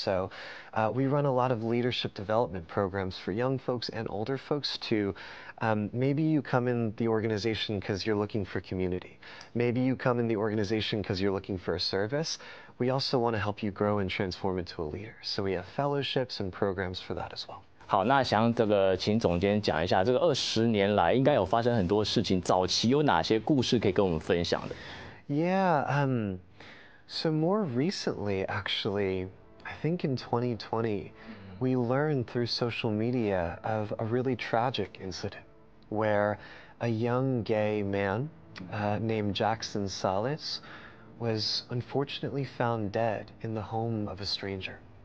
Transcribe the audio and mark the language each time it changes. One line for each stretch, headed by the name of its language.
English: So we run a lot of leadership development programs for young folks and older folks too. Maybe you come in the organization because you're looking for community. Maybe you come in the organization because you're looking for a service. We also want to help you grow and transform into a leader. So we have fellowships and programs for that as well.
Chinese: 好，那想这个请总监讲一下，这个二十年来应该有发生很多事情，早期有哪些故事可以跟我们分享的
English: ？Yeah, so more recently, actually, I think in 2020, we learned through social media of a really tragic incident where a young gay man named Jackson Salas was unfortunately found dead in the home of a stranger.